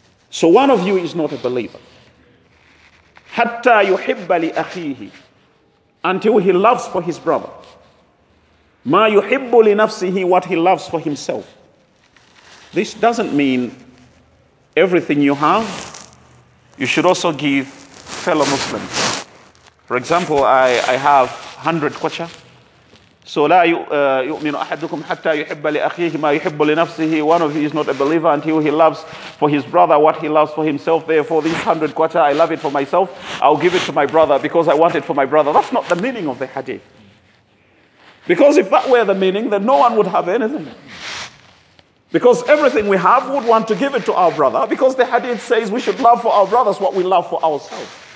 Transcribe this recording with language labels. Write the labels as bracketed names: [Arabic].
[English] So one of you is not a believer. [Arabic] حَتَّى يُحِبَّ لِأَخِيهِ, [English] until he loves for his brother. [Arabic] مَا يُحِبُّ لِنَفْسِهِ, [English] what he loves for himself. This doesn't mean everything you have, you should also give fellow Muslims. For example, I have 100 kwacha. [Arabic] So لا يؤمن أحدكم حتى يحب لأخيه ما يحب لنفسه. [English] One of you is not a believer until he loves for his brother what he loves for himself. Therefore, these 100 kwacha, I love it for myself. I'll give it to my brother because I want it for my brother. That's not the meaning of the hadith. Because if that were the meaning, then no one would have anything. Because everything we have, would want to give it to our brother, because the hadith says we should love for our brothers what we love for ourselves.